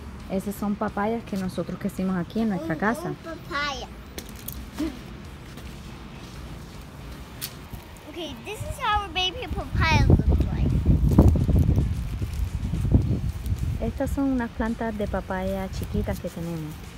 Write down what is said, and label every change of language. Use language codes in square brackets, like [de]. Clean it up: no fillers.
[es] Esas son papayas que nosotros crecimos aquí en nuestra casa. Papaya. [en] Okay, this is how our baby papaya looks like. [es] Estas son unas plantas de papaya chiquitas que tenemos.